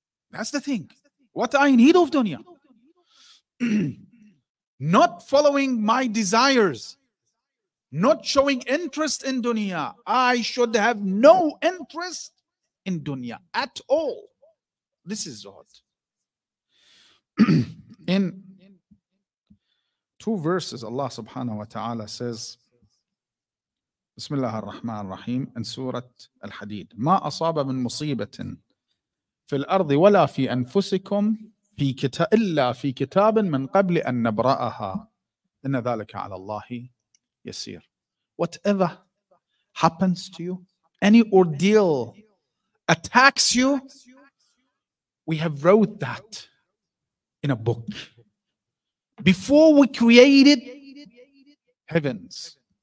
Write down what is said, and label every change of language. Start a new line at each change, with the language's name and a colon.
English: That's the thing. What I need of dunya. Not following my desires. Not showing interest in dunya. I should have no interest in dunya at all. This is zuhd. In two verses, Allah subhanahu wa ta'ala says, Bismillah ar-Rahman ar-Rahim, in Surah Al-Hadid,
Arabic: مَا أَصَابَ مِن مُصِيبَةٍ فِي الْأَرْضِ وَلَا فِي أَنفُسِكُمْ فِي كِتَابٍ إِلَّا فِي كِتَابٍ مِنْ قَبْلِ أَن نَبْرَأَهَا إِنَّ ذَلَكَ عَلَى اللَّهِ يَسِيرٌ.
English: Whatever happens to you, any ordeal attacks you, we have wrote that in a book. Before we created heavens.